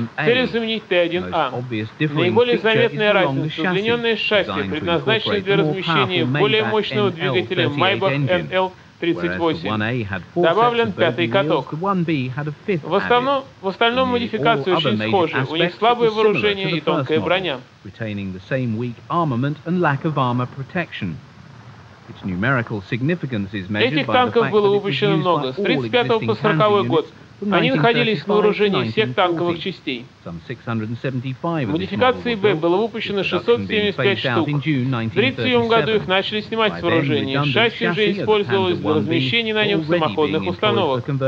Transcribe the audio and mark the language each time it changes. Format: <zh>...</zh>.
<ru>Цель заменить Т-1А. Наиболее заметная разница – удлиненное шасси, предназначенное для размещения более мощного двигателя Maybach NL-38. Добавлен пятый каток. В остальном модификации очень схожи. У них слабое вооружение и тонкая броня.</ru> <en>Retaining the same weak armament and lack of armor protection. Its numerical significance is measured by the fact that it was used by all existing hand units. From 1935 to 1940,</en> <ru>они находились на вооружении всех танковых частей. Модификации Б было выпущено 675 штук. В 1937 году их начали снимать с вооружения. Шасси уже использовалось для размещения на нем самоходных установок.</ru>